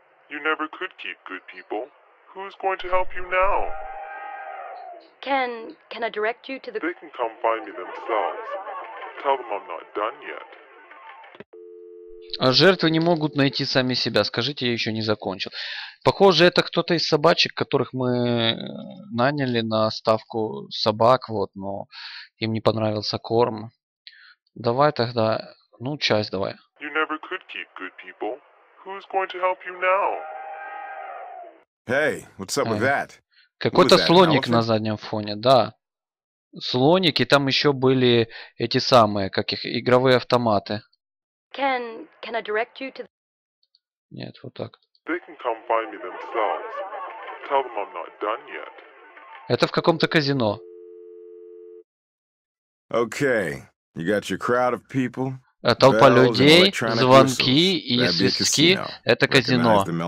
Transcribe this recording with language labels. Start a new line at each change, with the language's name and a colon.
English: You never could keep good people. Who's going to help you now? Can I direct you to the... They can come find me themselves. Tell them I'm not done yet.
Russian: А жертвы не могут найти сами себя. Скажите, я еще не закончил. Похоже, это кто-то из собачек, которых мы наняли на ставку собак, вот, но им не понравился корм. Давай тогда, ну, часть давай.
English: You never could keep good people. Who's going to help you now? Hey, what's up with that?
Russian: Какой-то слоник на заднем фоне, да. Слоник, и там еще были эти самые, как их, игровые автоматы.
English: Can I direct you to...
Russian: Нет, вот так.
English: They can come find me themselves. Tell them I'm not done yet.
Russian: Это в каком-то казино.
English: Okay, you got your crowd of people.
Russian: Толпа людей, звонки и свистки – это казино.